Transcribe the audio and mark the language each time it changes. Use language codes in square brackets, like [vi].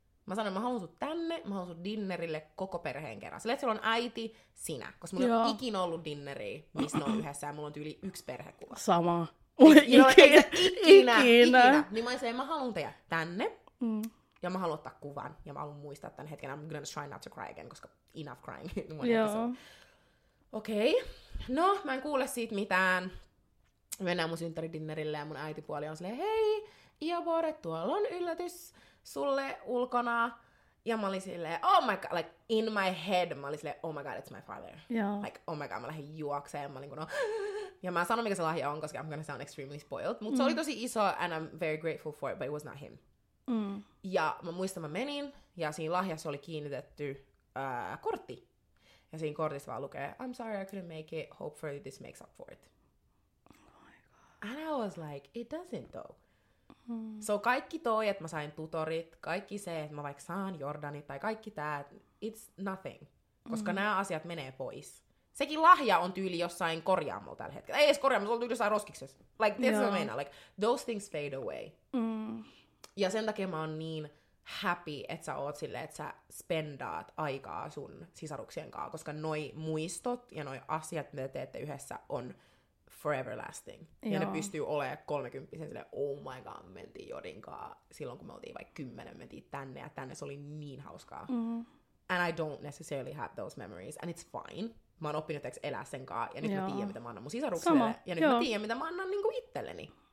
[fi] Mä sanoin, mä haluun sut tänne, mä haluun sut dinnerille koko perheen kerran. Silleen, että siellä on äiti, sinä. Koska mulla on ikinä ollut dinneriä, missä ne on yhdessä, ja mulla on tyyli yksi perhekuva. Sama. mulle ikinä. Niin mä olin silleen, mä haluun teidät tänne. Ja mä haluan ottaa kuvan. Ja mä haluan muistaa tän hetken. [en] I'm gonna try not to cry again, koska enough crying. [fi] Okei. No, mä en kuule siitä mitään. Mennään mun synttäridinnerille ja mun äitipuoli on silleen, hei, Iobore, tuolla on yllätys sulle ulkona. Ja mä olin silleen, [en] oh my god, like in my head, [fi] mä olin silleen, [en] oh my god, it's my father. Yeah. Like, oh my god, [fi] mä lähdin juokseen. Mä olin kuin, no. Ja mä sanon, mikä se lahja on, koska [en] I'm gonna sound extremely spoiled. [fi] Mutta se oli tosi iso, [en] and I'm very grateful for it, but it was not him. [fi] Ja mä muistan, mä menin, ja siinä lahjassa oli kiinnitetty kortti. Ja siinä kortissa vaan lukee, [en] I'm sorry I couldn't make it, hopefully this makes up for it. Oh my god. And I was like, it doesn't though. [fi] So kaikki toi, että mä sain tutorit, kaikki se, että mä vaikka saan Jordanit, tai kaikki tää, [en] it's nothing. [fi] Koska nämä asiat menee pois. Sekin lahja on tyyli jossain korjaamolla tällä hetkellä. Ei edes korjaamolla, se on tyyli jossain roskiksessa. [en] Like, that's what I mean. Like, those things fade away. [fi] Ja sen takia mä oon niin happy, että sä oot silleen, että sä spendaat aikaa sun sisaruksien kanssa, koska noi muistot ja noi asiat, mitä teette yhdessä, on [en] forever lasting. [fi] Joo. Ja ne pystyy olemaan kolmekymppisen silleen, oh my god, mentiin Jodinkaan silloin, kun me oltiin vaikka 10, mentiin tänne ja tänne, se oli niin hauskaa. [en] And I don't necessarily have those memories, and it's fine. [fi] Mä oon oppinut teeksi elää sen kanssa, ja nyt mä tiedän, mitä mä annan mun sisaruksille, sama. Ja nyt mä tiedän, mitä mä annan niinku itselleni.